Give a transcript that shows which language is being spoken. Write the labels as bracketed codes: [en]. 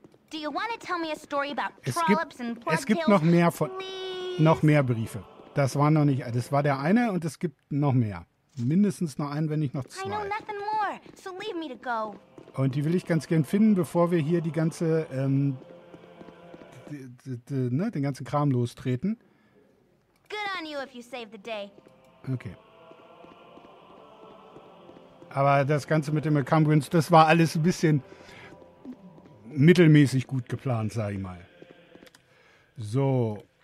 [en] Do you want to tell me a story about trollops and plugtails? [de] Es gibt noch mehr von, noch mehr Briefe. Das war noch nicht. Das war der eine und es gibt noch mehr. Mindestens noch einen, wenn nicht noch zwei. [en] I know nothing more, so leave me to go. [de] Und die will ich ganz gern finden, bevor wir hier die ganze, den ganzen Kram lostreten. [en] Good on you if you save the day. Okay. [de] Aber das Ganze mit dem Accumbrance, das war alles ein bisschen mittelmäßig gut geplant, sag ich mal. So.